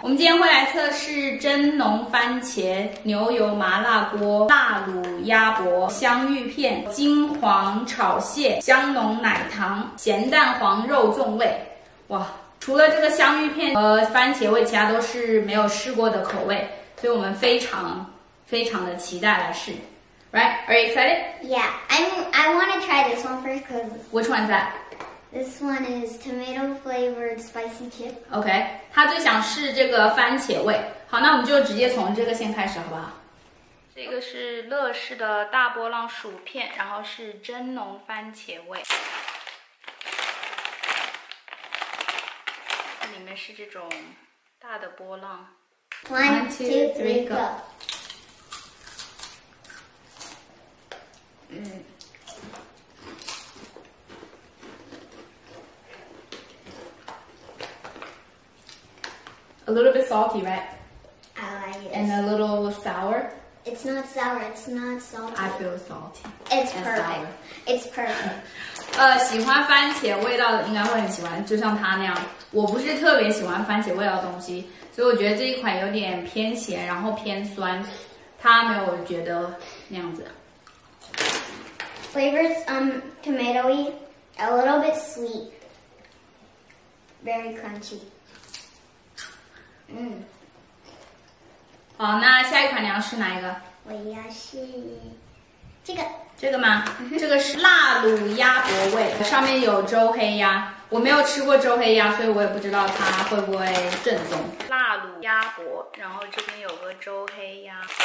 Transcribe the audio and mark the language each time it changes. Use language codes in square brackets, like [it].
[zh] 我们今天会来测试蒸浓番茄牛油麻辣锅、辣卤鸭脖、香芋片、金黄炒蟹、香浓奶糖、咸蛋黄肉粽味。哇，除了这个香芋片和番茄味，其他都是没有试过的口味，所以我们非常非常的期待来试。 [en] Right? Are you excited? Yeah, I want to try this one first because... Which one is that? This one is tomato flavored spicy chip. Okay, [zh] 他最想试这个番茄味。好，那我们就直接从这个先开始好不好？这个是乐事的大波浪薯片，然后是蒸浓番茄味。里面是这种大的波浪。 [en] 1, 2, 3, go. A little bit salty, right? Yes. And a little sour? It's not sour, it's not salty. I feel salty. It's perfect. [zh] 喜欢番茄味道的应该会很喜欢，就像他那样。我不是特别喜欢番茄味道的东西，所以我觉得这一款有点偏咸，然后偏酸，他没有觉得那样子。 [en] Flavors, tomato-y, a little bit sweet, very crunchy. [zh] 好，那下一款你要试哪一个？我要试这个。这个吗？这个是辣卤鸭脖味，上面有周黑鸭。我没有吃过周黑鸭，所以我也不知道它会不会正宗。辣卤鸭脖，然后这边有个周黑鸭。